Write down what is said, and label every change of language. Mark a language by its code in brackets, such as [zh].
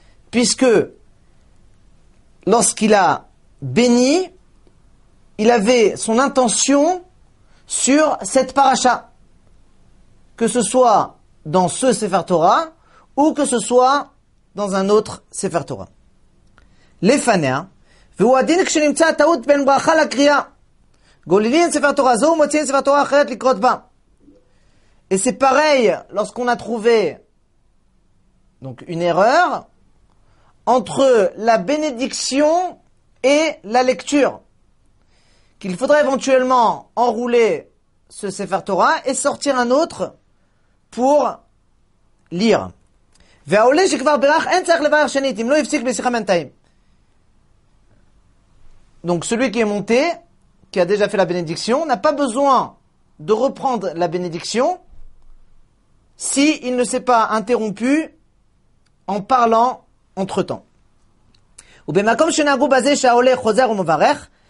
[fr] Puisque lorsqu'il a béni, il avait son intention sur cette paracha, que ce soit dans ce Sefer Torah ou que ce soit dans un autre Sefer Torah. [he] לפניה, והוא הדין כשנמצא הטעות בין ברכה לקריאה. גוללים ספר תורה זו ומוציאים ספר תורה אחרת לקרות בה. [fr] Et c'est pareil lorsqu'on a trouvé donc une erreur entre la bénédiction et la lecture. Qu'il faudrait éventuellement enrouler ce Sefer Torah et sortir un autre pour lire. [he] והעולה שכבר ברך אין צריך לברך שנית אם לא יפסיק בשיחה מנתיים. [fr] Donc celui qui est monté, qui a déjà fait la bénédiction, n'a pas besoin de reprendre la bénédiction si il ne s'est pas interrompu en parlant entre-temps. Ou bien comme chez [he] Nagou Bazé Shaolé Choser ou Mouvarech,